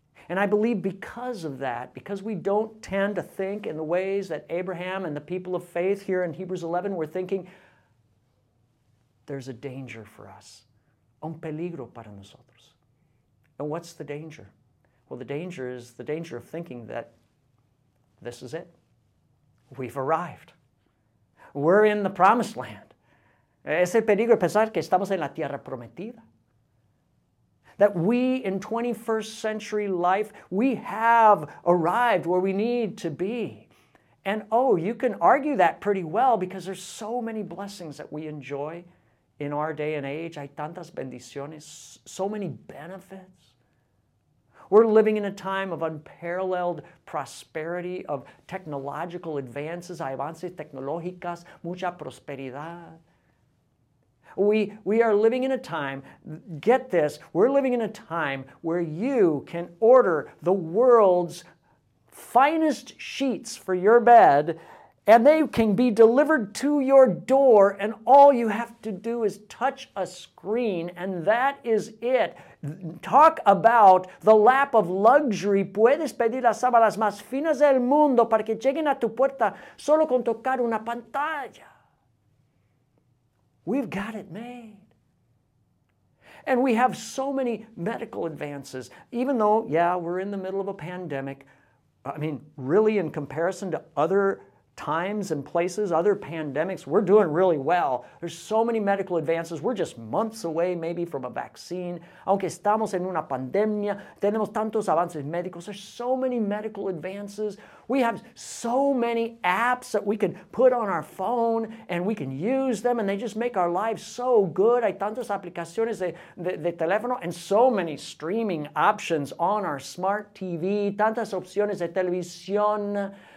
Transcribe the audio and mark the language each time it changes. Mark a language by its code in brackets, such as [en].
[en] And I believe because of that, because we don't tend to think in the ways that Abraham and the people of faith here in Hebrews 11 were thinking, there's a danger for us. [es] Un peligro para nosotros. [en] And what's the danger? Well, the danger is the danger of thinking that this is it. We've arrived. We're in the promised land. [es] Es el peligro pensar que estamos en la tierra prometida. [en] That we, in 21st century life, we have arrived where we need to be. And, oh, you can argue that pretty well because there's so many blessings that we enjoy in our day and age. [es] Hay tantas bendiciones, [en] so many benefits. We're living in a time of unparalleled prosperity, of technological advances, [es] avances tecnológicas, mucha prosperidad. [en] We are living in a time, get this, we're living in a time where you can order the world's finest sheets for your bed, and they can be delivered to your door, and all you have to do is touch a screen, and that is it. Talk about the lap of luxury. [es] Puedes pedir las sábanas más finas del mundo para que lleguen a tu puerta solo con tocar una pantalla. [en] We've got it made. And we have so many medical advances. Even though, yeah, we're in the middle of a pandemic, I mean, really, in comparison to other times and places, other pandemics, we're doing really well. There's so many medical advances. We're just months away, maybe, from a vaccine. [es] Aunque estamos en una pandemia, tenemos tantos avances médicos. [en] There's so many medical advances. We have so many apps that we can put on our phone and we can use them, and they just make our lives so good. [es] Hay tantas aplicaciones de teléfono [en] and so many streaming options on our smart TV. [es] Tantas opciones de televisión.